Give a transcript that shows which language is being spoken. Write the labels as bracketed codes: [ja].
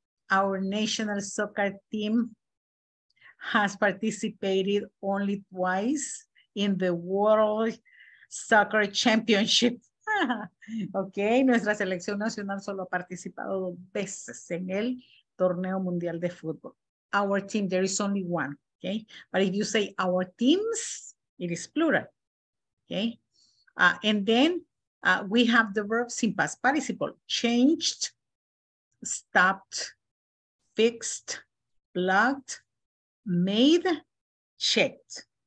[en] Our national soccer team has participated only twice in the World Soccer Championship. [es] Okay, nuestra selección nacional solo ha participado dos veces en el torneo mundial de fútbol. [en] Our team, there is only one, okay? But if you say our teams, it is plural, okay? And then we have the verbs in past participle, changed, stopped, fixed, blocked, made, checked.